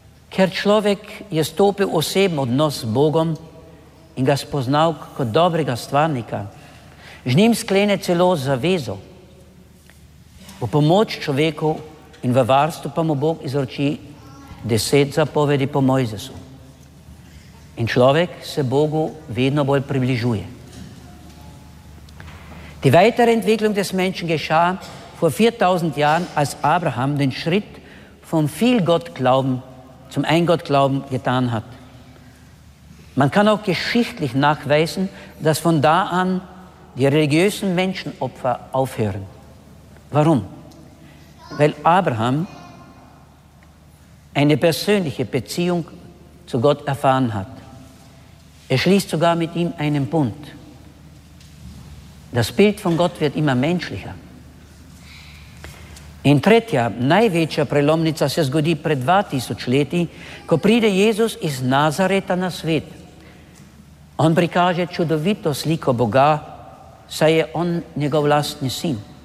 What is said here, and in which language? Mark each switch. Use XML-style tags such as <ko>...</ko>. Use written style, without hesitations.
<sl>Ker človek je stopil v osebni odnos z Bogom in ga spoznal kot dobrega stvarnika. Z njim sklene celo zavezo. V pomoč človeku in v varstvu pa mu Bog izroči 10 zapovedi po Mojzesu. In človek se Bogu vedno bolj približuje.</sl> <de>Die weitere Entwicklung des Menschen geschah vor 4000 Jahren, als Abraham den Schritt vom Vielgottglauben zum Eingottglauben getan hat. Man kann auch geschichtlich nachweisen, dass von da an die religiösen Menschenopfer aufhören. Warum? Weil Abraham eine persönliche Beziehung zu Gott erfahren hat. Er schließt sogar mit ihm einen Bund. Das Bild von Gott wird immer menschlicher.</de> <sl>In tretja, največja prelomnica se zgodi pred 2000 leti, ko pride Jezus iz Nazareta na svet. On prikaže čudovito sliko Boga, saj je on njegov lastni sin.</sl>